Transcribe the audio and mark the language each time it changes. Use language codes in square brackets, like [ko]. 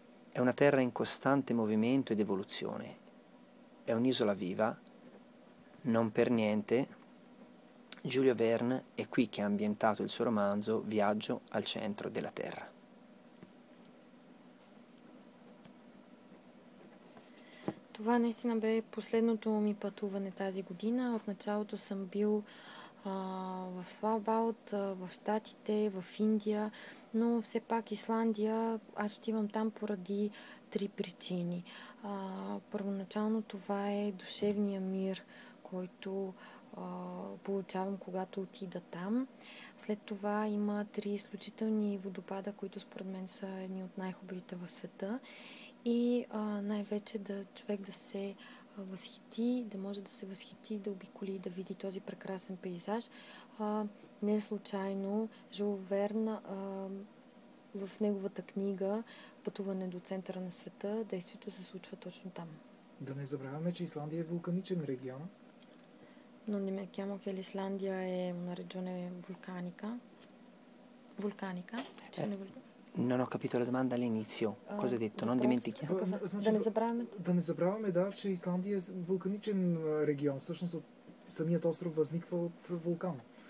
[it] È una terra in costante movimento ed evoluzione. È un'isola viva, non per niente Giulio Verne è qui che ha ambientato il suo romanzo Viaggio al centro della Terra. [bg] Това наистина бе последното ми пътуване тази година. От началото съм бил в Свалбард, в Штатите, в Индия, но все пак Исландия, аз отивам там поради три причини. Първоначално това е душевния мир, който получавам, когато отида там. След това има три изключителни водопада, които според мен са едни от най-хубавите в света. И най-вече да човек да се възхити, да може да се възхити, да обиколи, да види този прекрасен пейзаж. Не случайно Жул Верн в неговата книга Пътуване до центъра на света, действието се случва точно там. Да не забравяме, че Исландия е вулканичен регион. [it] Non dimentichiamo che l'Islandia è una regione vulcanica. Vulcanica? Non ho capito la domanda all'inizio. Cosa hai detto? Non dimentichiamo. [bg] Da ne забравяме, да, че Исландия е вулканичен регион. Всъщност самият остров възниква от вулкан.